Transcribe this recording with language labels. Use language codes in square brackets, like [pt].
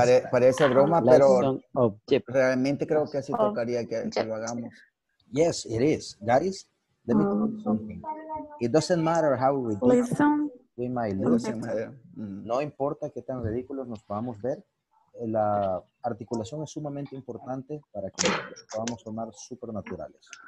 [es] Parece broma, pero realmente creo que así tocaría que lo hagamos. [en] Yes, it is. Guys, let me tell you something. It doesn't matter how ridiculous we might look. [es] No importa qué tan ridículos nos podamos ver. La articulación es sumamente importante para que podamos sonar súper naturales.